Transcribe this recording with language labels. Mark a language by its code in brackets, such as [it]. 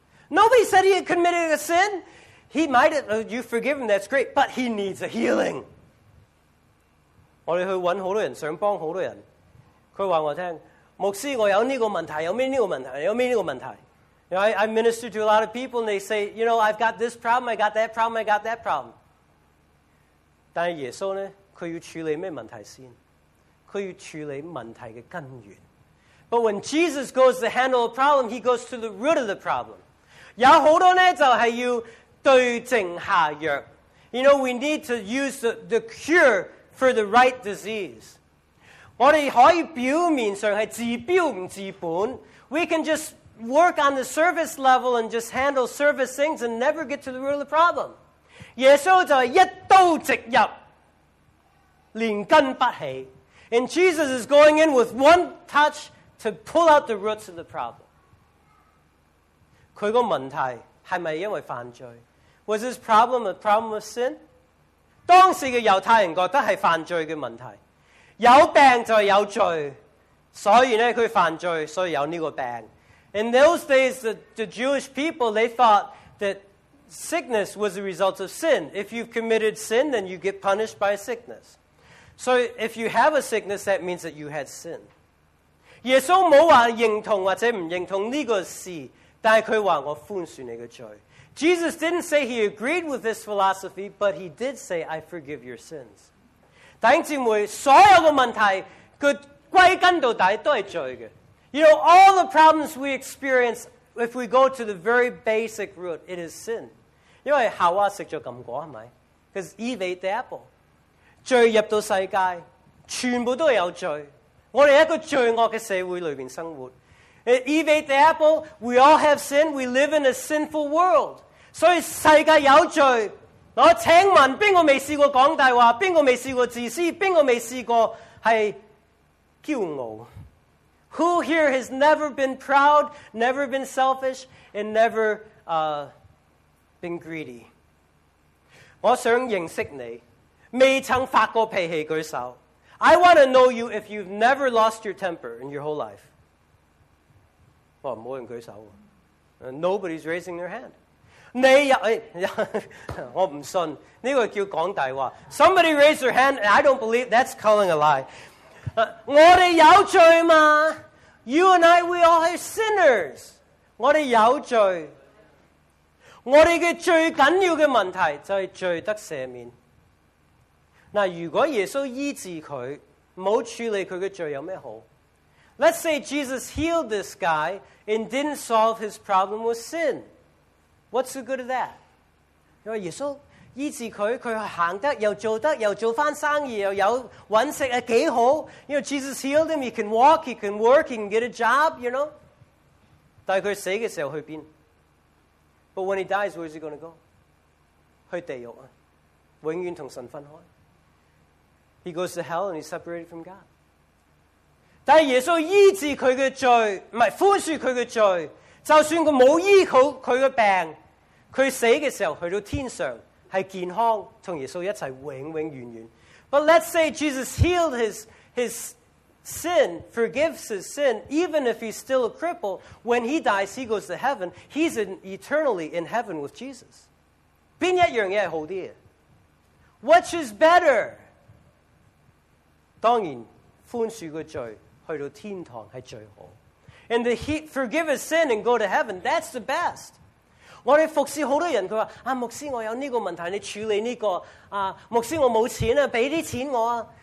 [en] Nobody said he had committed a sin, he might have, you forgive him, that's great, but he needs a healing. [zh] 我们去找很多人，想帮很多人，他告诉我牧师，我有这个问题，有什么这个问题，有什么这个问题。 [en] You know, I minister to a lot of people and they say, you know, I've got this problem, I got that problem, I got that problem. [zh] 但耶稣呢，他要处理咩问题先？他要处理问题的根源。 [en] But when Jesus goes to handle a problem, he goes to the root of the problem. [zh] 有好多呢，就是要对症下药。 [en] You know, we need to use the cure for the right disease. [zh] 我们可以表面上是治标不治本。 [en] We can just work on the surface level and just handle surface things and never get to the root of the problem. [zh] 耶稣就是一刀直入，连根拔起。 [en] And Jesus is going in with one touch to pull out the roots of the problem. [zh] 他的问题是不是因为犯罪？ [en] Was his problem a problem of sin? [zh] 当时的犹太人觉得是犯罪的问题，有病就是有罪，所以呢他犯罪，所以有这个病。 [en] In those days, the Jewish people, they thought that sickness was a result of sin. If you've committed sin, then you get punished by sickness. So if you have a sickness, that means that you had sin. [zh] 耶稣没有说认同或者不认同这个事，但是他说我宽恕你的罪。 [en] Jesus didn't say he agreed with this philosophy, but he did say, I forgive your sins. [zh] 弟兄姊妹，所有的问题，佢归根到底都是罪的。 [en] You know, all the problems we experience, if we go to the very basic root, it is sin. [zh] 因为夏娃食咗禁果，是咪？ [en] Because Eve ate the apple. [zh] 罪入到世界，全部都有罪。我们在一个罪恶的社会里面生活。 [en] Eve ate the apple. We all have sin. We live in a sinful world. [zh] 所以世界有罪。我请问，边个未试过讲大话？边个未试过自私？边个未试过是骄傲？ [en] Who here has never been proud, never been selfish, and never been greedy? [zh] 我想认识你，未曾发过脾气，举手。 [en] I want to know you if you've never lost your temper in your whole life. [zh] 哦，冇人舉手喎。 [en] Nobody's raising their hand. [zh] 你又，我唔信，呢個叫講大話。 [en] Somebody raise their hand, I don't believe that's calling a lie. [zh] 我哋有罪嘛 [en] ？You and I, we all are sinners. [zh] 我哋有罪。我哋嘅最緊要嘅問題就係罪得赦免。嗱，如果耶穌醫治佢，冇處理佢嘅罪，有咩好？ [en] Let's say Jesus healed this guy and didn't solve his problem with sin. What's the good of that? [zh] 因为耶稣医治他，他行得又做得又做翻生意又有揾食啊，几好！ [en] 因为 Jesus healed him, he can walk, he can work, he can get a job, you know. [zh] 但他死的时候去边 [en] ？But when he dies, where is he going to go? [zh] 去地狱啊，永远同神分开。 [en] He goes to hell and he's separated from God. [zh] 但耶稣医治他的罪，不是宽恕他的罪，就算他没有医好他的病，他死的时候去到天上是健康，跟耶稣一起永永远远。 [en] But let's say Jesus healed his sin, forgives his sin, even if he's still a cripple, when he dies, he goes to heaven, he's eternally in heaven with Jesus. [zh] 哪一样是好的？ [en] Which is better? [zh] 当然宽恕的罪去到天堂是最好。 [en] And to forgive his sin and go to heaven, that's the best. [zh] 我们服侍很多人，他说，啊，牧师，我有这个问题，你处理这个。啊，牧师，我没钱，给点钱我。